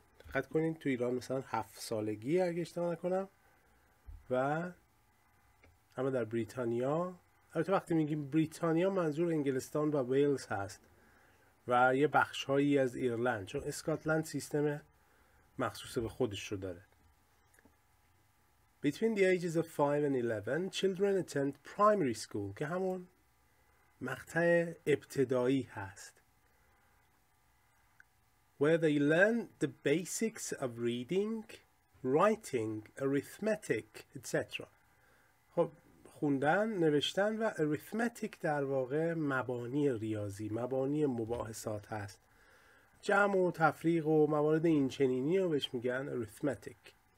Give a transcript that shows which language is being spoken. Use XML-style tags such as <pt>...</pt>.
<fa>دقت کنین تو ایران مثلا 7 سالگی اگه اشتباه نکنم، و اما در بریتانیا، البته وقتی میگیم بریتانیا منظور انگلستان و ویلز هست و یه بخشهایی از ایرلند، چون اسکاتلند سیستم مخصوص به خودش رو داره.</fa> <en>Between the ages of 5 and 11 children attend primary school،</en> <fa>که همون مقطع ابتدایی هست،</fa> <en>where they learn the basics of reading, writing, arithmetic, etc.</en> <fa>خب خوندن، نوشتن و arithmetic در واقع مبانی ریاضی، مبانی مباحثات هست، جمع و تفریق و موارد اینچنینی رو بهش میگن arithmetic.</fa>